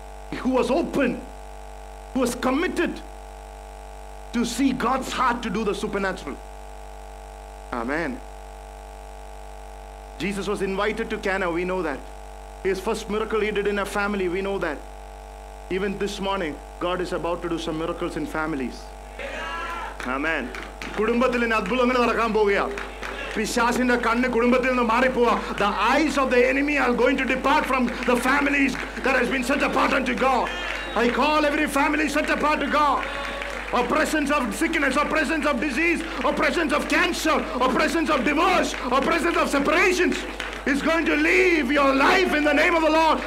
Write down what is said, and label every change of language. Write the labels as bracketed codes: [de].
[en] Who was open, who was committed to see God's heart to do the supernatural. Amen. Jesus was invited to Cana, we know that. His first miracle he did in a family, we know that. Even this morning, God is about to do some miracles in families. Amen. [ml] കുടുംബത്തിൽ അത്ഭുതങ്ങൾ നടക്കാൻ പോവുകയാണ്. പിശാചിന്റെ കണ്ണ് കുടുംബത്തിൽ നിന്ന് മാറിപ്പോവാ. [en] The eyes of the enemy are going to depart from the families that has been set apart unto God. I call every family set apart to God. A presence of sickness, a presence of disease, a presence of cancer, a presence of divorce, a presence of separations is going to leave your life in the name of the Lord.